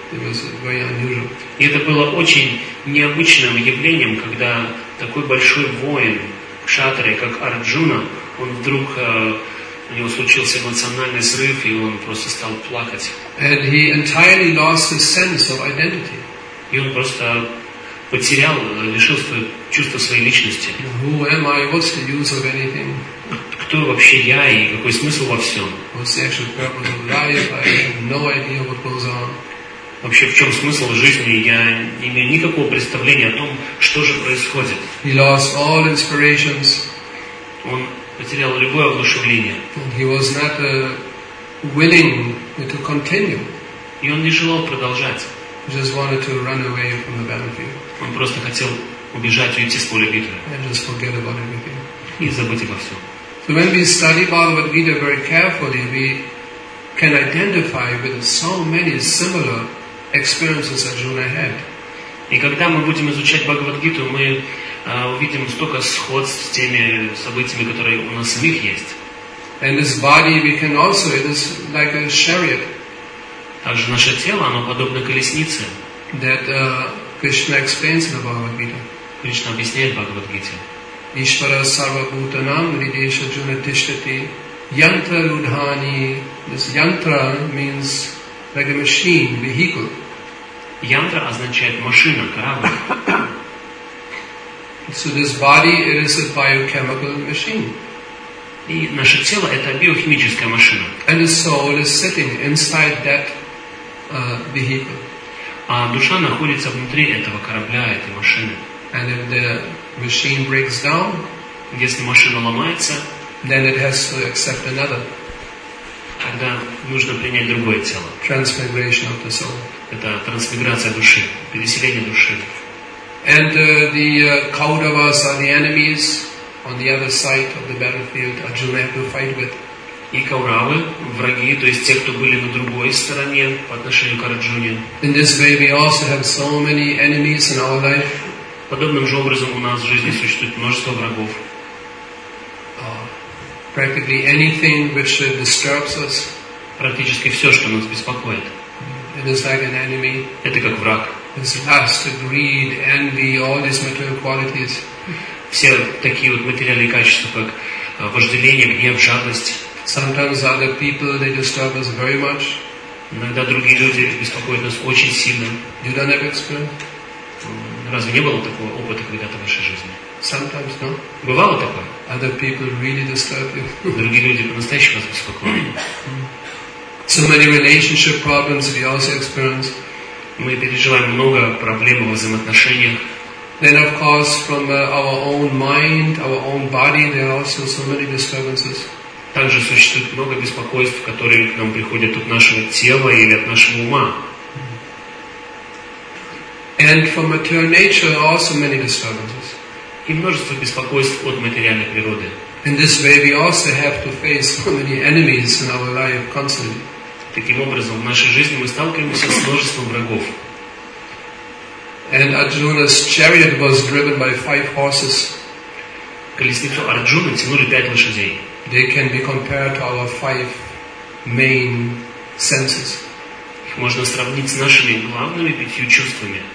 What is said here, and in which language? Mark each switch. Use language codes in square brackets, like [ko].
[en] It was very unusual. [ru] И это было очень необычным явлением, когда такой большой воин, кшатрия, как Арджуна, он вдруг, у него случился эмоциональный срыв, и он просто стал плакать. [en] And he entirely lost his sense of identity. [ru] И он просто потерял, лишил свое чувство своей личности. [en] Who am I? What's the use of anything? [ru] Кто вообще я и какой смысл во всем? [en] What's the actual purpose of life? I have no idea what goes on. [ru] Вообще, в чем смысл жизни? Я не имею никакого представления о том, что же происходит. [en] He lost all inspirations. [ru] Он потерял любое воодушевление. [en] And he was not willing to continue. [ru] И он не желал продолжать. [en] Just wanted to run away from the battlefield. [ru] Он просто хотел убежать и уйти с поля битвы. [en] And just forget about everything. [ru] И забыть обо всем. [en] So when we study Bhagavad Gita very carefully, we can identify with so many similar experiences Arjuna had. [ru] И когда мы будем изучать Бхагавад-гиту, мы увидим столько сходств с теми событиями, которые у нас в них есть. [en] And this body, we can also, it is like a chariot. [ru] Также наше тело, оно подобно колеснице. [en] That Krishna explains in the Bhagavad Gita. [ru] Кришна объясняет в Бхагавад Гите. [sa] Ishvara sarva bhutanam videsh arjuna tishtati yantra rudhani. [en] This yantra means like a machine, vehicle. [ru] Yantra означает машина, корабль. [en] So this body, it is a biochemical machine. [ru] И наше тело это биохимическая машина. [en] And the soul is sitting inside that vehicle. [ru] А душа находится внутри этого корабля, этой машины. [en] And if the machine breaks down, [ru] если машина ломается, [en] then it has to accept another. [ru] Тогда нужно принять другое тело. [en] Transmigration of the soul. [ru] Это трансмиграция души, переселение души. [en] And the Kauravas are the enemies on the other side of the battlefield. Arjuna had to fight with. [ru] И Кауравы, враги, то есть те, кто были на другой стороне по отношению к Арджуне. [en] In this way, we also have so many enemies in our life. [ru] Подобным же образом у нас в жизни существует множество врагов. [en] Practically anything which disturbs us. [ru] Практически все, что нас беспокоит. [en] It is like an enemy. [ru] Это как враг. [en] It's lust, greed, envy, all these material qualities. [ru] Все такие вот материальные качества, как вожделение, гнев, жадность. [en] Sometimes other people, they disturb us very much. [ru] Иногда другие люди беспокоят нас очень сильно. [en] You don't have experience? [ru] Разве не было такого опыта когда-то в вашей жизни? [en] Sometimes, no. [ru] Бывало такое? [en] Other people really disturb you. [ru] Другие люди по-настоящему вас беспокоят. [en] So many relationship problems we also experience. [ru] Мы переживаем много проблем в взаимоотношениях. [en] Then, of course, from our own mind, our own body, there are also so many disturbances. [ru] Также существует много беспокойств, которые к нам приходят от нашего тела или от нашего ума. [en] And from material nature also many disturbances. [ru] И множество беспокойств от материальной природы. [en] In this way we also have to face so many enemies in our life constantly. [ru] Таким образом, в нашей жизни мы сталкиваемся с множеством врагов. [en] And Arjuna's chariot was driven by 5 horses. [ru] Колесницу Арджуны тянули 5 лошадей. [en] They can be compared to our 5 main senses. [ru] Их можно сравнить с нашими главными 5 чувствами.